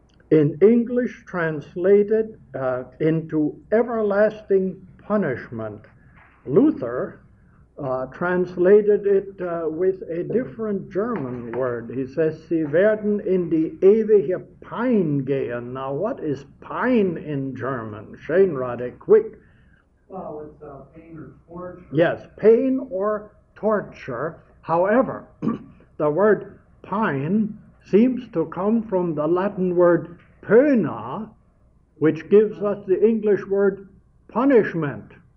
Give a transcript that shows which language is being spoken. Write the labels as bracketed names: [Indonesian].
[English] In English, translated into everlasting punishment, Luther translated it with a different German word. He says, [German] sie werden in die ewige Pein gehen. [English] Now, what is Pein in German? Shane Roddick, quick. Well, it's pain or torture. Yes, pain or torture. However, the word Pein seems to come from the Latin word pöna, which gives us the English word punishment.